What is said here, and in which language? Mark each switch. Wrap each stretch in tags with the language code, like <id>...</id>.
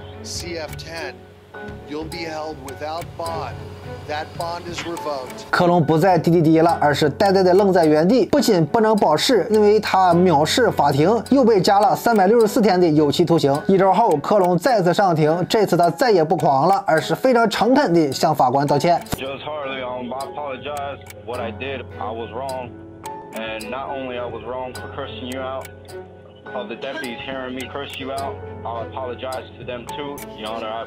<en>CF10, you'll be held without bond. That bond is revoked.</en> <zh>克隆不在滴滴滴了，而是呆呆的愣在原地，不仅不能保释，因为他藐视法庭，又被加了364天的有期徒刑。一周后，克隆再次上庭，这次他再也不狂了，而是非常诚恳地向法官道歉。</zh> <en>Just hardly, I apologize. What I did, I was wrong, and not only I was wrong for cursing you out. Of the deputies hearing me curse you out, I apologize to them too, Your Honor.</en>